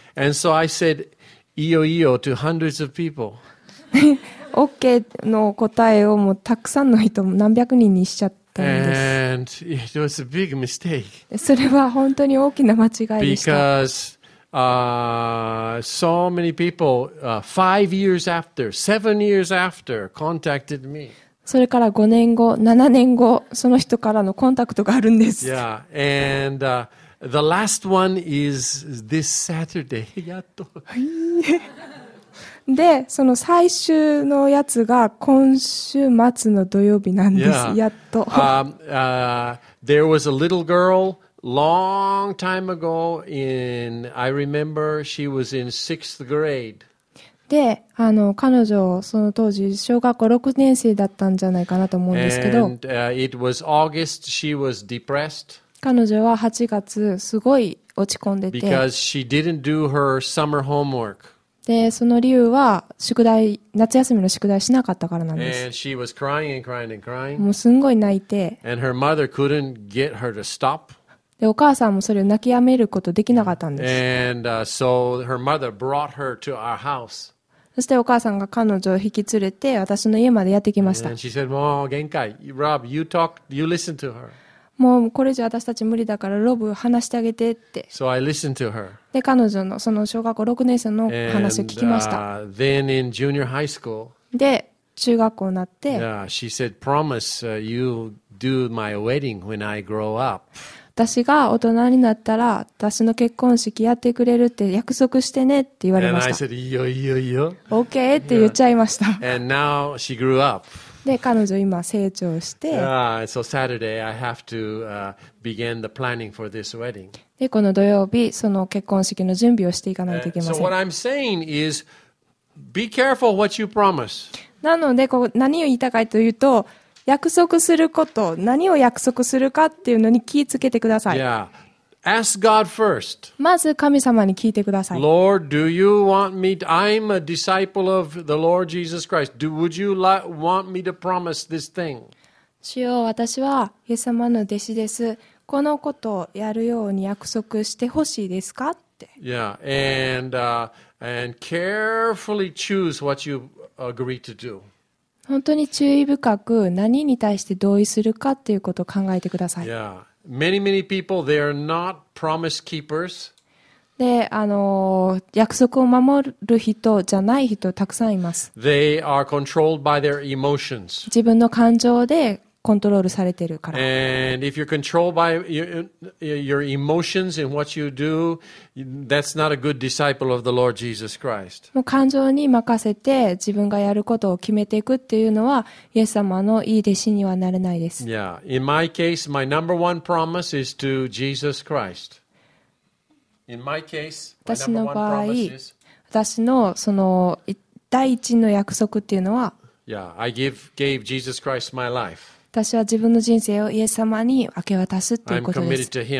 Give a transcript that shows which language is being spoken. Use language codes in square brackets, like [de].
[en] And so I said, [ja] いいよ [en] to hundreds of people. [ja] OK の答えをもうたくさんの人も何百人にしちゃったんです。 [en] And it was a big mistake. [ja] それは本当に大きな間違いでした。 [en] Because so many people, five years after, seven years after, contacted me. [ja] それから5年後、7年後、その人からのコンタクトがあるんです。 [en] Yeah, and the last one is this Saturday. [ja] やっと。で、その最終のやつが今週末の土曜日なんです。 Yeah. やっと。 [en] There was a little girl long time ago in, I remember she was in sixth grade. [ja] で、彼女、その当時、小学校6年生だったんじゃないかなと思うんですけど。 [en] And, it was August, she was depressed. [ja] 彼女は8月、すごい落ち込んでて。 [en] Because she didn't do her summer homework. [ja] で、その理由は宿題、夏休みの宿題しなかったからなんです。 [en] And she was crying and crying and crying. [ja] もうすんごい泣いて。 [en] And her mother couldn't get her to stop. [ja] で、お母さんもそれを泣きやめることできなかったんです。 [en] And so her mother brought her to our house. [ja] そしてお母さんが彼女を引き連れて私の家までやってきました。 [en] And she said, [ja] もう限界。 [en] Rob, you talk, you listen to her. [ja] もうこれ以上私たち無理だからロブ話してあげてって。 [en] So I listened to her. [ja] で彼女のその小学校6年生の話を聞きました。 [en] And, then in junior high school. [ja] で中学校になって。 [en] Yeah, she said, "Promise you'll do my wedding when I grow up." [ja] 私が大人になったら私の結婚式やってくれるって約束してねって言われました。 [en] And I said, [ja] "いいよ。 OK って言っちゃいました。 [en] Yeah. And now she grew up. [ja] で、彼女今成長して、 [en] so Saturday I have to, begin the planning for this wedding. [ja] で、この土曜日、その結婚式の準備をしていかないといけません。 [en] So what I'm saying is, be careful what you promise. [ja] なので、こう、何を言いたかというと、約束すること、何を約束するかっていうのに気をつけてください。 [en] Yeah. Ask God first. [ja] まず神様に聞いてください。 [en] Lord, do you want me to, I'm a disciple of the Lord Jesus Christ. Do, would you like, want me to promise this thing? [ja] 主よ、私はイエス様の弟子です。このことをやるように約束してほしいですかって。 [en] Yeah, and carefully choose what you agree to do. [ja] 本当に注意深く何に対して同意するかっていうことを考えてください。 [en] Yeah. Many, many people, they are not promise keepers. [ja] で、約束を守る人じゃない人たくさんいます。 [en] They are controlled by their emotions. [ja] 自分の感情でコントロールされてるから。 [en] And if you're controlled by your emotions in what you do, that's not a good disciple of the Lord Jesus Christ. [ja] もう感情に任せて自分がやることを決めていくっていうのは、イエス様のいい弟子にはなれないです。 [en] Yeah. In my case, my number one promise is to Jesus Christ. In my case, my number one promise is... [ja] 私のその第一の約束っていうのは、 [en] Yeah. I gave Jesus Christ my life. [ja] 私は自分の人生をイエス様に明け渡すということです。